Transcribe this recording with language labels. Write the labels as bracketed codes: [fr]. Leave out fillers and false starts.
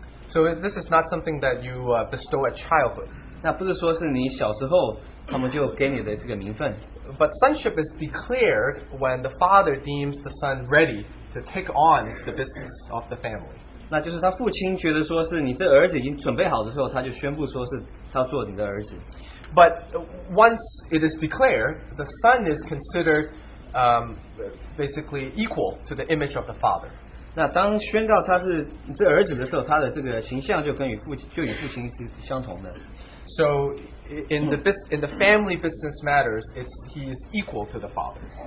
[en] So this is not something that you bestow at childhood. [zh] 那不是说是你小时候他们就给你的这个名分。 [en] But sonship is declared when the father deems the son ready to take on the business of the family. [zh] 那就是他父亲觉得说是你这儿子已经准备好的时候，他就宣布说是他做你的儿子。 [en] But once it is declared, the son is considered basically equal to the image of the father. [zh] 那当宣告他是你这儿子的时候，他的这个形象就跟与父亲是相同的。 [en] So in the family business matters, he is equal to the father.